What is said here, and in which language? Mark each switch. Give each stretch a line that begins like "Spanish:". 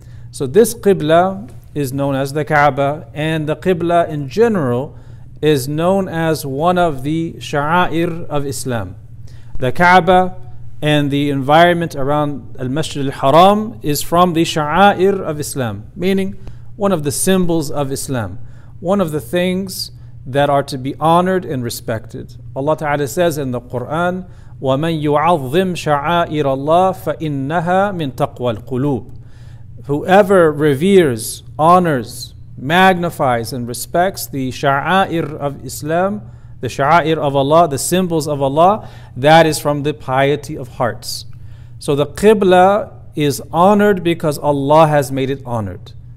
English: So this qibla is known as the Kaaba, and the qibla in general is known as one of the sha'air of Islam. The Kaaba and the environment around Al-Masjid Al-Haram is from the sha'air of Islam, meaning one of the symbols of Islam, one of the things that are to be honored and respected. Allah Ta'ala says in the Quran,
Arabic: وَمَنْ يُعَظِّمْ شَعَائِرَ اللَّهِ فَإِنَّهَا مِنْ تَقْوَى الْقُلُوبِ.
English: Whoever reveres, honors, magnifies and respects the sha'air of Islam, the sha'air of Allah, the symbols of Allah, that is from the piety of hearts. So the qibla is honored because Allah has made it honored.